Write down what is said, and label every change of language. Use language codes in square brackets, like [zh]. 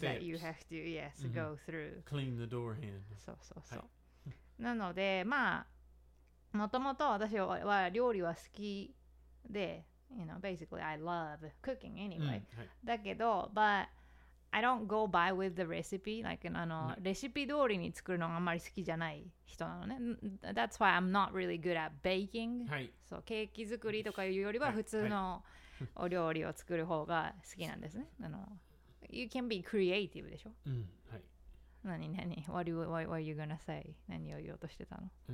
[en] that you have to yes、mm-hmm. go through. Clean the door handle. [ja] そうそうそう。なのでまあもともと私は料理は好きで、 [en] you know, basically I love cooking anyway.、 [ja] はい、だけど、 [en] but I don't go by with the recipe. [ja] Like あの、ね、レシピ通りに作るのがあんまり好きじゃない人なのね。 [en] That's why I'm not really good at baking. [ja] はい。そう、ケーキ作りとかいうよりは普通の、はい。はいお料理を作る方が好きなんですね。 [en] あの、You can be creative でしょ。 [ja] うん、はい。何 [en] What are you gonna say? [ja] 何を言おうとしてたの？